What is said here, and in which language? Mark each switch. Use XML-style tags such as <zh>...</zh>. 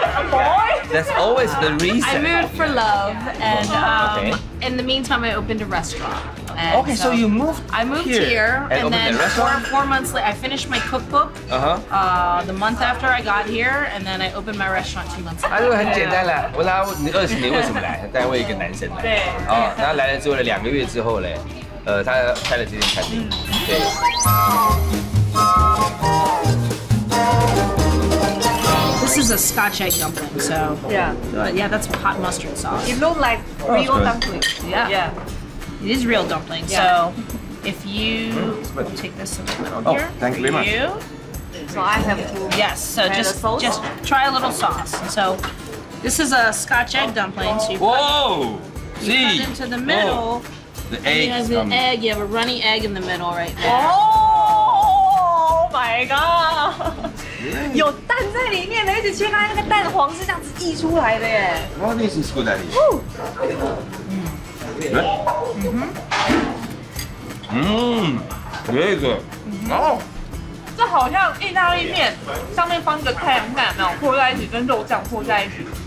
<en>Boy。 That's always the reason. I moved for love, and in the meantime, I opened a restaurant. And okay, so you moved. I moved here and then four months later, I finished my cookbook. The month after I got here, and then I opened my restaurant 2 months later.</en> <zh>很简单啦，我拉你二十年为什么来？带我一个男生来。对。哦，然后来了之后呢，两个月之后嘞，他开了这间餐厅。对。</zh> <en>This is a Scotch egg dumpling, so yeah, that's hot mustard sauce. It looks like real dumpling. Yeah, it is real dumpling. Yeah. So if you take this in the middle here, thank you very much. So I have to. Yes, so just try a little sauce. So this is a Scotch egg dumpling. So you cut into the middle. The egg. You have an egg. You have a runny egg in the middle right there. Oh my god！</en> <zh>有蛋在里面的，一直切开那个蛋黄是这样子溢出来的耶。哇，那是什么蛋？嗯，这个，哦，这好像意大利面上面放个太阳蛋，然后和在一起跟肉酱和在一起。</zh>